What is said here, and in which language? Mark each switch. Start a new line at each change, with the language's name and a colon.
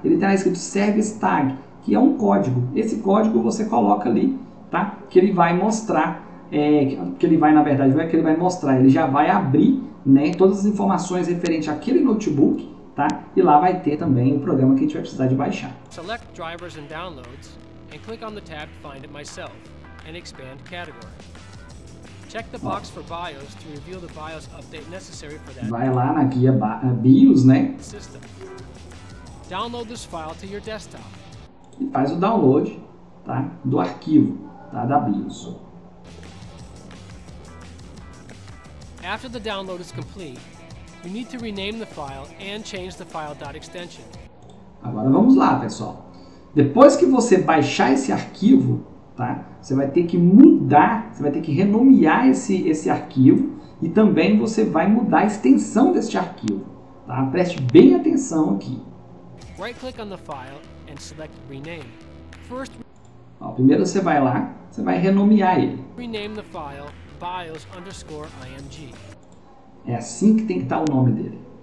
Portuguese: Ele tem lá escrito service tag, que é um código. Esse código você coloca ali, tá? Que ele vai mostrar, ele já vai abrir, né, todas as informações referentes àquele notebook, tá? E lá vai ter também o programa que a gente vai precisar de baixar.
English: Select drivers and downloads and click on the tab Find It Myself and expand category. Check the box for BIOS to reveal the BIOS update necessary for that.
Portuguese: Vai lá na guia BIOS, né?
English: System. Download this file to your desktop.
Portuguese: E faz o download, tá? Do arquivo, tá? Da BIOS.
English: After the download is complete, you need to rename the file and change the file.extension.
Portuguese: Agora vamos lá, pessoal. Depois que você baixar esse arquivo, tá? Você vai ter que mudar, você vai ter que renomear esse arquivo e também você vai mudar a extensão deste arquivo, tá? Preste bem atenção aqui.
English: Right click on the file and select rename. First...
Portuguese: Ó, primeiro você vai lá, você vai renomear ele.
English: Rename the file bios_img.
Portuguese: É assim que tem que estar o nome dele.